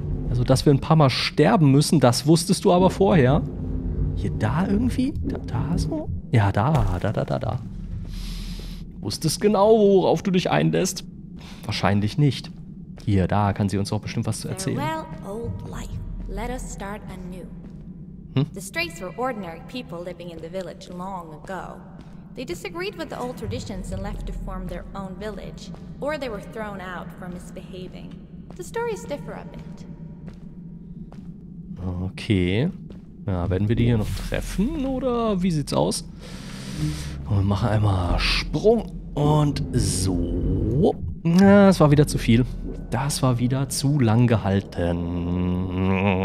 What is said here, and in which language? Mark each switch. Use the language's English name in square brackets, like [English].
[German] Also, dass wir ein paar Mal sterben müssen, das wusstest du aber vorher. Hier da irgendwie? Da so? Ja, da. Wusstest genau, worauf du dich einlässt? Wahrscheinlich nicht. Hier, da kann sie uns auch bestimmt was zu erzählen. [English] Farewell, old life. Let us start anew. Hm? The Strays were ordinary people living in the village long ago. They disagreed with the old traditions and left to form their own village. Or they were thrown out for misbehaving. The stories differ a bit. Okay. [German] Ja, werden wir die hier noch treffen? Oder wie sieht's aus? Wir machen einmal Sprung. Und so. Ja, das war wieder zu viel. Das war wieder zu lang gehalten.